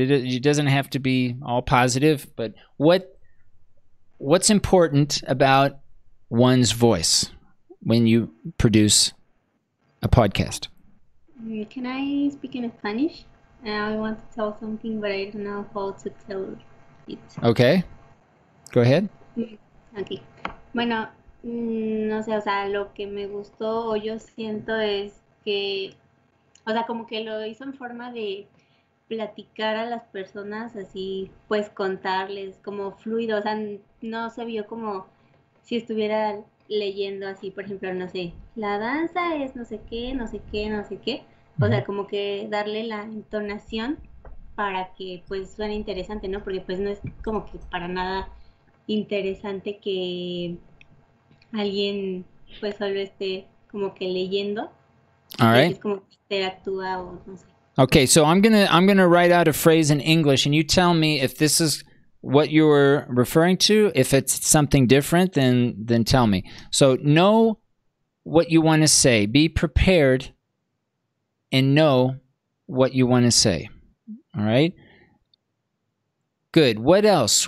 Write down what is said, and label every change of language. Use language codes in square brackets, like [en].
[en] It doesn't have to be all positive, but what's important about one's voice when you produce a podcast? Can I speak in Spanish? I want to tell something, but I don't know how to tell it. Okay, go ahead. Okay. [es] Bueno, no sé, o sea, lo que me gustó o yo siento es que, o sea, como que lo hizo en forma de platicar a las personas, así, pues contarles, como fluido, o sea, no se vio como si estuviera leyendo así, por ejemplo, no sé, la danza es no sé qué, no sé qué, no sé qué. O sea, como que darle la entonación para que, pues, suene interesante, ¿no? Porque, pues, no es como que para nada interesante que alguien, pues, solo esté como que leyendo. [en] All right. [es] Es como que interactúa o no sé. [en] Okay, so I'm gonna write out a phrase in English, and you tell me if this is what you're referring to. If it's something different, then tell me. So know what you want to say. Be prepared and know what you want to say. All right? Good. What else?